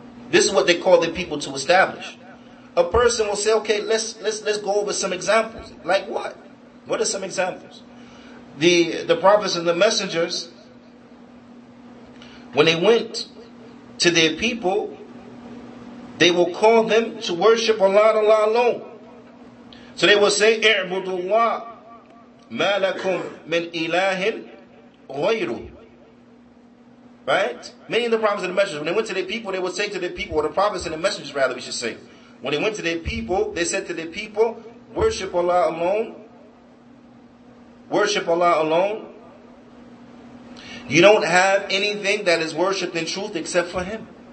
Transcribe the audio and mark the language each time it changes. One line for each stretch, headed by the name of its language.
English: This is what they call their people to establish. A person will say, okay, let's go over some examples. Like what? What are some examples? The prophets and the messengers, when they went to their people, they will call them to worship Allah alone. So they will say,
Arabic: اعبدوا الله ما لكم من إله غيره.
English: Right? Many of the prophets and the messengers, when they went to their people, they would say to their people, or the prophets and the messengers rather, we should say, when they went to their people, they said to their people, worship Allah alone. Worship Allah alone. You don't have anything that is worshipped in truth except for Him.